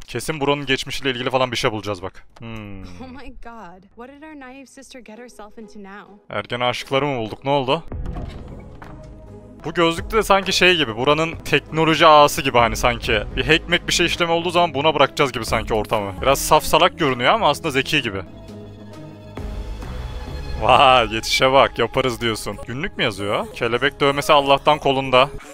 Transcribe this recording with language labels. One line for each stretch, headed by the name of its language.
Turkish: Kesin buranın geçmişiyle ilgili falan bir şey bulacağız bak.
English: Hmm. Oh my God. What did our naive sister get herself into now?
Turkish: Ergen aşıkları mı bulduk? Ne oldu? Bu gözlükte de sanki şey gibi, buranın teknoloji ağası gibi hani sanki. Bir hackmack bir şey işleme olduğu zaman buna bırakacağız gibi sanki ortamı. Biraz saf salak görünüyor ama aslında zeki gibi. Vay, yetişe bak, yaparız diyorsun. Günlük mü yazıyor? Kelebek dövmesi Allah'tan kolunda.